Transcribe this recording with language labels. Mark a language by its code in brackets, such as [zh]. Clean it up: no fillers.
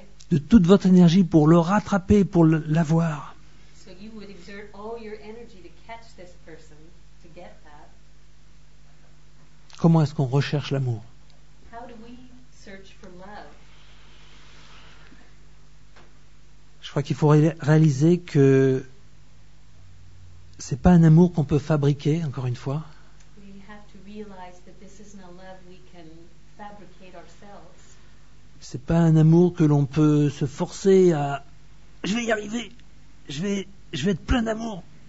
[fr] De toute votre énergie pour le rattraper, pour l'avoir. [en] So you would exert all your energy to catch this person, to get that. [fr] Comment est-ce qu'on recherche l'amour? [en] How do we search for love? [fr] Je crois qu'il faut réaliser que c'est pas un amour qu'on peut fabriquer, encore une fois. [en] We have to realize that this isn't a love we can fabricate ourselves. [fr] Ce n'est pas un amour que l'on peut se forcer à... Je vais y arriver. Je vais être plein d'amour.